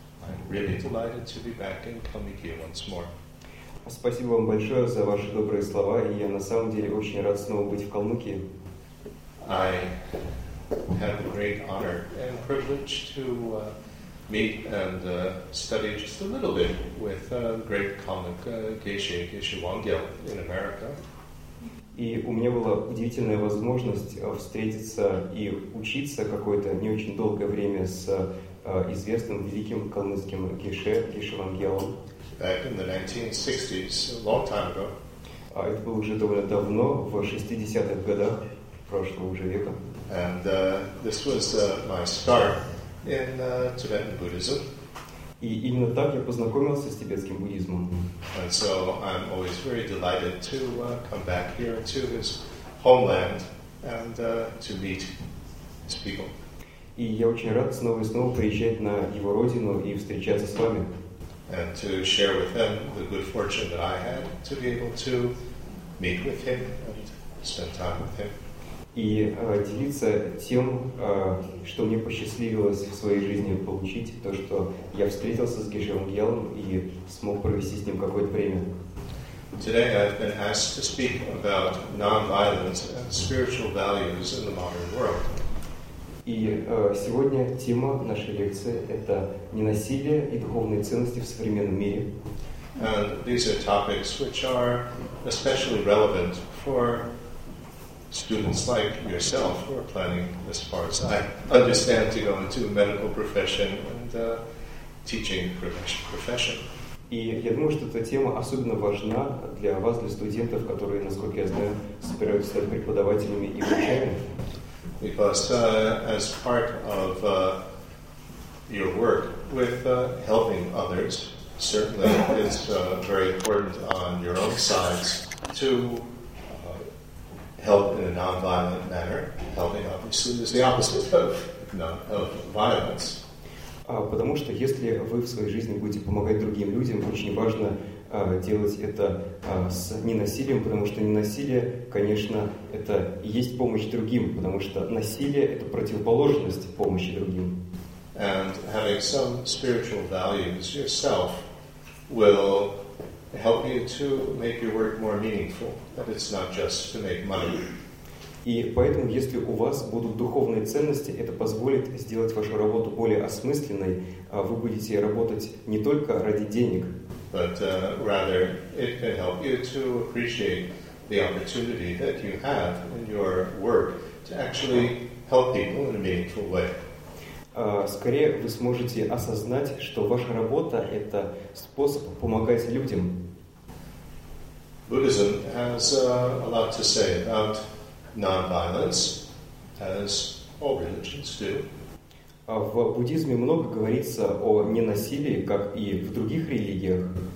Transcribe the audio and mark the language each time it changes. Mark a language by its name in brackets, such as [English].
[English] I'm really delighted to be back in Kamikia once more. [Russian] Спасибо вам большое за ваши добрые слова, и я на самом деле очень рад снова быть в Калмыкии. [English] I have the great honor and privilege to meet and study just a little bit with great Kalmyk Geshe Wangyal in America. [Russian] И у меня была удивительная возможность встретиться и учиться какое-то не очень долгое время с известным великим калмыцким Геше Вангелом. [English] Back in the 1960s, a long time ago. [Russian] А это было уже довольно давно, в 60-х годах прошлого уже века. [English] And this was my start in Tibetan Buddhism. [Russian] И именно так я познакомился с тибетским буддизмом. [English] And so I'm always very delighted to come back here to his homeland and to meet his people. [Russian] И я очень рад снова и снова приезжать на его родину и встречаться с вами. [English] And to share with him the good fortune that I had to be able to meet with him and spend time with him. [Russian] И делиться тем, что мне посчастливилось в своей жизни получить, то, что я встретился с Геше Вангьялом и смог провести с ним какое-то время. [English] Today I've been asked to speak about non-violence and spiritual values in the modern world. [Russian] И сегодня тема нашей лекции – это ненасилие и духовные ценности в современном мире. [English] And these are topics which are especially relevant for students like yourself who are planning, as far as I understand, to go into medical profession and teaching profession. [Russian] И я думаю, что эта тема особенно важна для вас, для студентов, которые, насколько я знаю, собираются стать преподавателями и учителями. [English] Because as part of your work with helping others, certainly it's very important on your own sides to help in a non-violent manner. Helping obviously is the opposite of violence. [Russian] Потому что если вы в своей жизни будете помогать другим людям, очень важно делать это с ненасилием, потому что ненасилие, конечно, это и есть помощь другим, потому что насилие – это противоположность помощи другим. [English] And having some spiritual values yourself will help you to make your work more meaningful, that it's not just to make money. [Russian] И поэтому, если у вас будут духовные ценности, это позволит сделать вашу работу более осмысленной. Вы будете работать не только ради денег, [English] but rather it can help you to appreciate the opportunity that you have in your work to actually help people in a meaningful way. [Russian] Скорее, вы сможете осознать, что ваша работа – это способ помогать людям. [English] Buddhism has a lot to say about non-violence, as all religions do. [Russian] В буддизме много говорится о ненасилии, как и в других религиях.